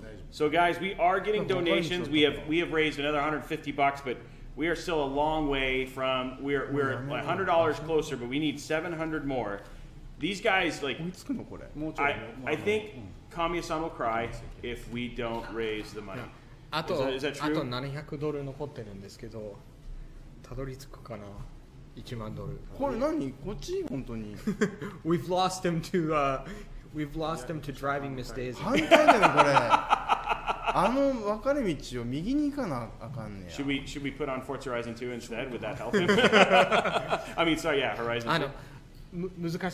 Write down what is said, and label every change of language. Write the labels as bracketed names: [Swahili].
[English] So guys, we are getting donations. We have raised another $150, but we are still a long way from, we're $100 closer, but we need 700 more. These guys, like, I think Kamiya-san will cry if we don't raise the money. [Japanese] あと700ドル残ってるんですけど、たどり着くかな？1万ドル。これ何？こっち本当に。 [English] We've lost him to him to driving Miss Daisy. [Japanese] 反対だねこれ。あの分かれ道を右に行かなあかんねや。 [English] Should we put on Forza Horizon 2 instead? Would that help him? I mean, sorry, yeah, Horizon 2.